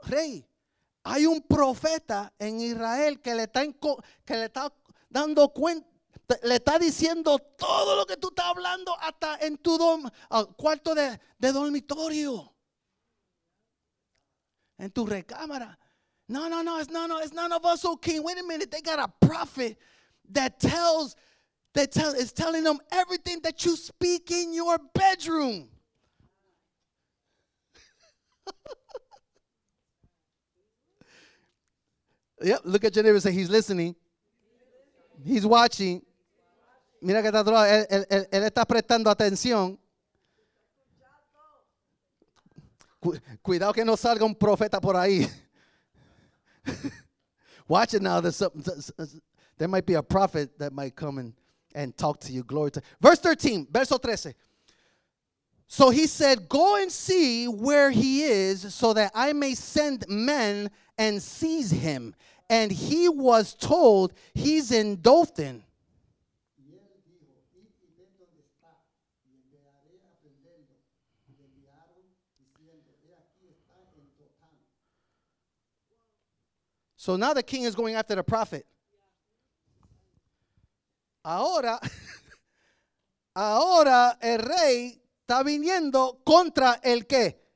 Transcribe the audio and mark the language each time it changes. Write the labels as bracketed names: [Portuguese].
[Spanish] Rey, hay un profeta en Israel que le está diciendo todo lo que tú estás hablando hasta en tu cuarto de dormitorio. En tu recámara. [English] No, no, no, it's none of us, O king. Wait a minute, they got a prophet is telling them everything that you speak in your bedroom. Yep, look at your neighbor and say, he's listening. He's watching. [Spanish] Mira que está atrás, él está prestando atención. Cuidado que no salga un profeta por ahí. [English] Watch it now. There might be a prophet that might come and talk to you. Glory to verse 13. [Spanish] Verso 13. [English] So he said, "Go and see where he is, so that I may send men and seize him." And he was told, "He's in Dothan." So now the king is going after the prophet. [Spanish] Ahora el rey está viniendo contra el qué?